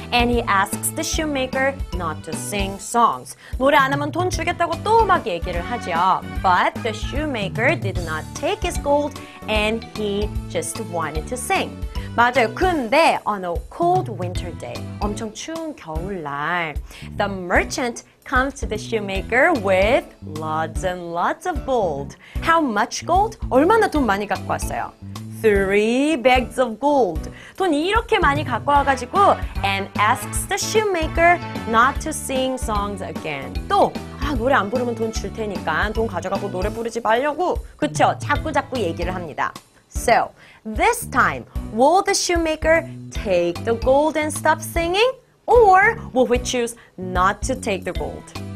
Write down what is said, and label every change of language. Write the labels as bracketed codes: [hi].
[en] And he asks the shoemaker not to sing songs. [ko] 노래 안 하면 돈 주겠다고 또 막 얘기를 하죠. [en] But the shoemaker did not take his gold and he just wanted to sing. [ko] 맞아요. 근데 [en] on a cold winter day, [ko] 엄청 추운 겨울날, [en] the merchant comes to the shoemaker with lots and lots of gold. How much gold? [ko] 얼마나 돈 많이 갖고 왔어요? [en] 3 bags of gold. [ko] 돈 이렇게 많이 갖고 와가지고 [en] and asks the shoemaker not to sing songs again. [ko] 또 아, 노래 안 부르면 돈 줄 테니까 돈 가져가고 노래 부르지 말려고 그쵸? 자꾸 얘기를 합니다. [en] So, this time, will the shoemaker take the gold and stop singing? Or will we choose not to take the gold?